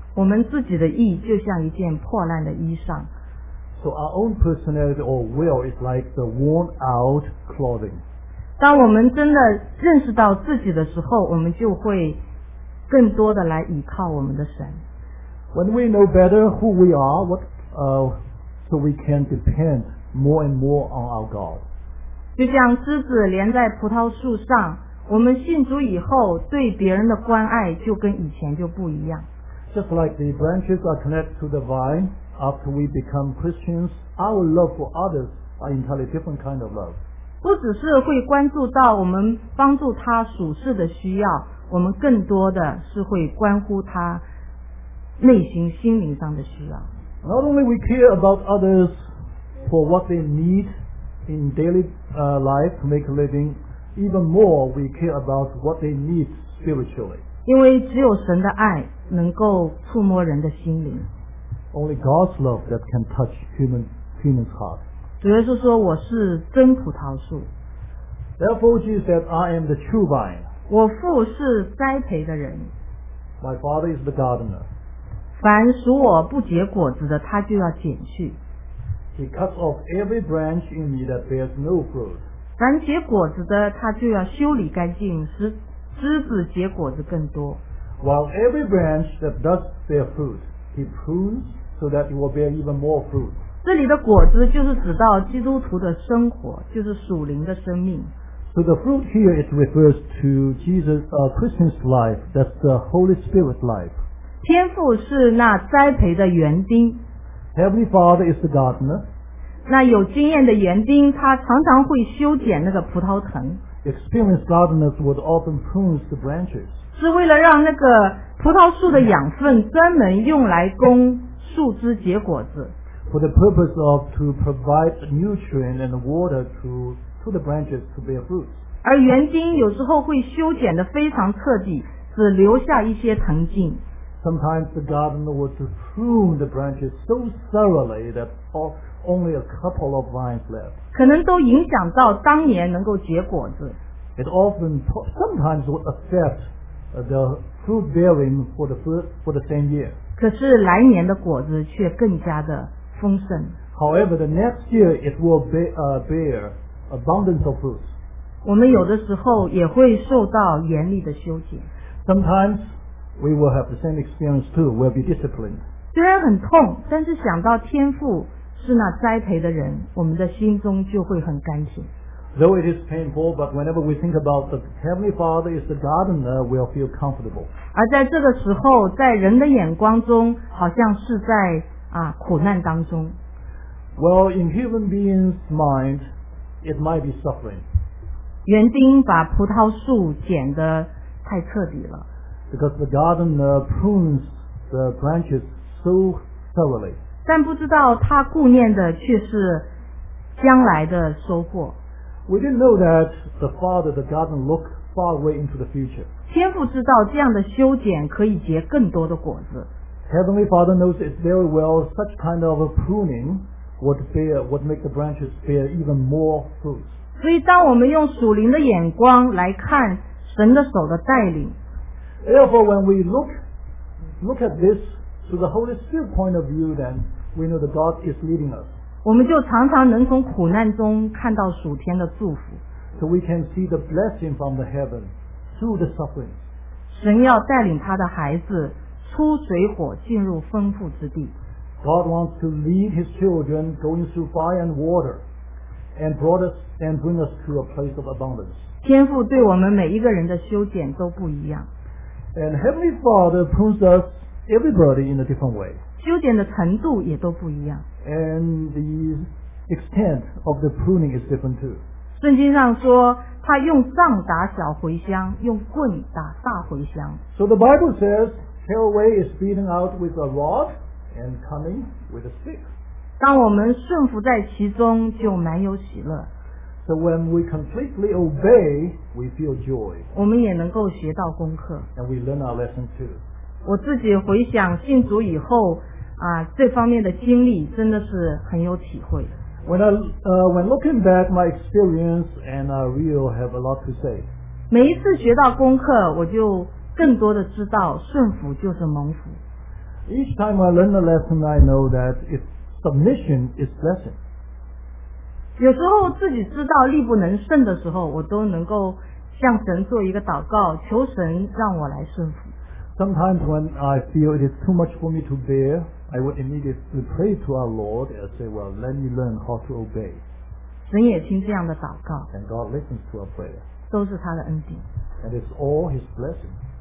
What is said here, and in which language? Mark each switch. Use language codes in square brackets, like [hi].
[zh] 我们自己的意就像一件破烂的衣裳。 [en] So our own personality or will is like the worn out clothing. [zh] 当我们真的认识到自己的时候，我们就会更多的来倚靠我们的神。 [en] When we know better who we are, what, so we can depend more and more on our God. [zh] 就像枝子连在葡萄树上，我们信主以后对别人的关爱就跟以前就不一样。 [en] Just like the branches are connected to the vine, after we become Christians, our love for others are entirely different kind of love. [zh] 不只是会关注到我们帮助他属世的需要，我们更多的是会关乎他内心心灵上的需要。 [en] Not only we care about others for what they need in daily life to make a living, even more we care about what they need spiritually. [zh] 因为只有神的爱能够触摸人的心灵。 [en] Only God's love that can touch human's heart. [zh] 主耶稣说我是真葡萄树。 [en] Therefore Jesus said, I am the true vine. [zh] 我父是栽培的人。 [en] My father is the gardener. [zh] 凡属我不结果子的他就要剪去。 [en] He cuts off every branch in me that bears no fruit. [zh] 凡结果子的他就要修理干净，使枝子结果子更多。 [en] While every branch that does bear fruit, he prunes so that it will bear even more fruit. [zh] 这里的果子就是指到基督徒的生活，就是属灵的生命。 [en] So the fruit here it refers to Jesus, Christian's life, that's the Holy Spirit's life. [zh] 天父是那栽培的园丁。 [en] Heavenly Father is the gardener. [zh] 那有经验的园丁，他常常会修剪那个葡萄藤。 [en] Experienced gardeners would often prune the branches. [zh] 是为了让那个葡萄树的养分专门用来供树枝结果子。 [en] For the purpose of to provide nutrient and water to the branches to bear fruits. [zh] 而园丁有时候会修剪得非常彻底，只留下一些藤茎。 [en] Sometimes the gardener would prune the branches so thoroughly that only a couple of vines left. [zh] 可能都影响到当年能够结果子。 [en] It often sometimes would affect. The fruit bearing for the same year. [zh] 可是来年的果子却更加的丰盛。 [en] However, the next year it will bear abundance of fruits. [zh] 我们有的时候也会受到严厉的修剪。 [en] Sometimes we will have the same experience too. We'll be disciplined. [zh] 虽然很痛，但是想到天父是那栽培的人，我们的心中就会很甘心。 [en] Though it is painful, but whenever we think about the Heavenly Father is the gardener, we'll feel comfortable. [zh] 而在这个时候，在人的眼光中，好像是在苦难当中。 [en] Well, in human beings' mind, it might be suffering. [zh] 园丁把葡萄树剪得太彻底了。 [en] Because the gardener prunes the branches so thoroughly. [zh] 但不知道他顾念的却是将来的收获。 [en] We didn't know that the Father, the gardener, looked far away into the future. [zh] 天父知道这样的修剪可以结更多的果子。 [en] Heavenly Father knows it very well. Such kind of a pruning would make the branches bear even more fruit. [zh] 所以当我们用属灵的眼光来看神的手的带领。 [en] Therefore, when we look at this through the Holy Spirit point of view, then we know that God is leading us. [zh] 我们就常常能从苦难中看到属天的祝福。 [en] So we can see the blessing from the heaven through the suffering. [zh] 神要带领他的孩子出水火进入丰富之地。 [en] God wants to lead his children going through fire and water and brought us and bring us to a place of abundance. [zh] 天父对我们每一个人的修剪都不一样。 [en] And Heavenly Father prunes us everybody in a different way. [zh] 修剪的程度也都不一样。 [en] And the extent of the pruning is different too. [zh] 圣经上说，他用杖打小茴香，用棍打大茴香。 [en] So the Bible says, Hellway is beaten out with a rod and coming with a stick. [zh] 当我们顺服在其中，就满有喜乐。 [en] So when we completely obey, we feel joy. [zh] 我们也能够学到功课。 [en] And we learn our lesson too. [zh] 我自己回想信主以后这方面的经历真的是很有体会。 [en] When looking back, my experience and I really have a lot to say. [zh] 每一次学到功课，我就更更多的知道顺服就是蒙福。 [en] Each time I learn a lesson, I know that its submission is blessing. [zh] 有时候自己知道力不能胜的时候，我都能够向神做一个祷告，求神让我来顺服。 [en] Sometimes when I feel it is too much for me to bear, I would immediately pray to our Lord and say, "Well, let me learn how to obey." [zh] 神也听这样的祷告。 [en] And God listens to our prayer. [zh] 都是他的恩典。 [en] And it's all His blessing.